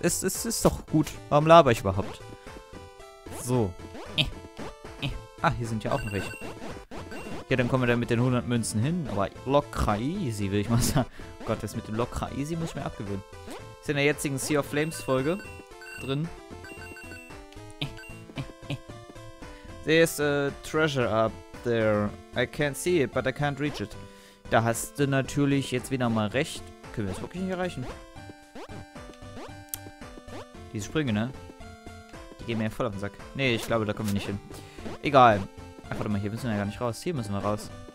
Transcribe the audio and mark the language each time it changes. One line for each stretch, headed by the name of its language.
German: Ist doch gut. Warum laber ich überhaupt? So. Ah, hier sind ja auch noch welche. Ja, dann kommen wir da mit den 100 Münzen hin. Aber locker easy, will ich mal sagen. Gott, das mit dem locker easy muss ich mir abgewöhnen. Ist in der jetzigen Sea of Flames Folge drin.
English: There's a treasure up there. I can't see it, but I can't reach it.
German: Da hast du natürlich jetzt wieder mal recht. Können wir das wirklich nicht erreichen? Diese Sprünge, ne? Die gehen mir ja voll auf den Sack. Nee, ich glaube, da kommen wir nicht hin. Egal. Ach, warte mal, hier müssen wir ja gar nicht raus. Hier müssen wir raus.